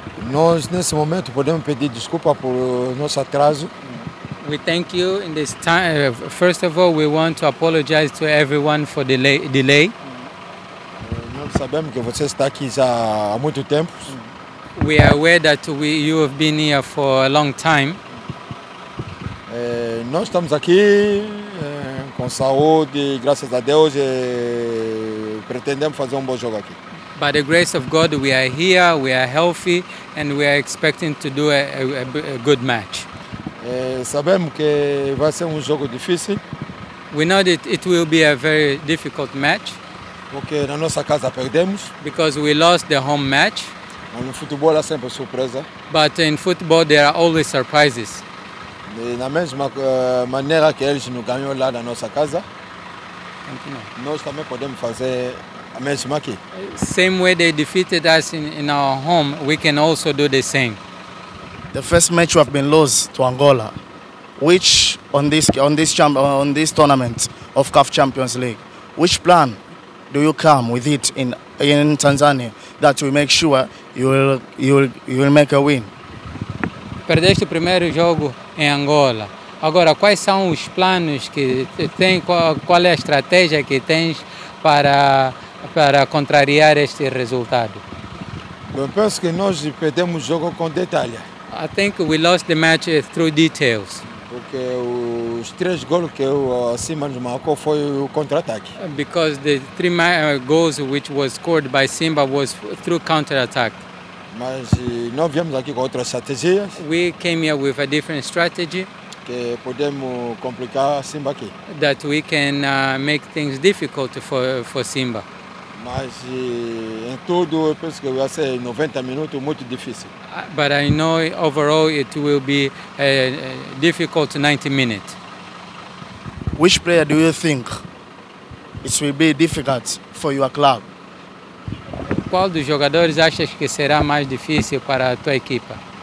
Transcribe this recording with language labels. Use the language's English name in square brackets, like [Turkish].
[Portuguese] Nós, nesse momento, podemos pedir desculpa por nosso atraso. [English] We thank you in this time. First of all, we want to apologize to everyone for the delay. [Portuguese] Nós sabemos que você está aqui já há muito tempo. [English] We are aware that you have been here for a long time. [Portuguese] Nós estamos aqui com saúde, graças a Deus, e pretendemos fazer bom jogo aqui. [English] By the grace of God, we are here, we are healthy, and we are expecting to do a good match. [Portuguese] Sabemos que vai ser jogo difícil. [English] We know that it will be a very difficult match. [Portuguese] Porque na nossa casa perdemos. [English] Because we lost the home match. [Portuguese] Mas no futebol há sempre surpresa. [English] But in football, there are always surprises. [Portuguese] E na mesma maneira que eles nos ganhou lá na nossa casa, nós também podemos fazer a mesma aqui. [English] Same way they defeated us in our home, we can also do the same. The first match we have been lost to Angola, which on this tournament of CAF Champions League, which plan do you come with it in Tanzania that we make sure you will make a win? [Portuguese] Perdeste o primeiro jogo em Angola. Agora, quais são os planos que tem, qual é a estratégia que tens para contrariar este resultado? Eu penso que nós perdemos o jogo com detalhe. [English] I think we lost the match through details. [Portuguese] Porque os três gols que o Simba nos marcou foi o contra-ataque. [English] Because the three goals which was scored by Simba was through counter-attack. [Portuguese] Mas nós viemos aqui com outras estratégias. [English] We came here with a different strategy. [Portuguese] Que podemos complicar Simba aqui. [English] That we can make things difficult for Simba. [Portuguese] Mas em tudo, eu penso que vai ser 90 minutos muito difícil. [English] But I know overall it will be a difficult 90 minutes. Which player do you think it will be difficult for your club? [Portuguese] Qual dos jogadores achas que será mais difícil para a tua equipa?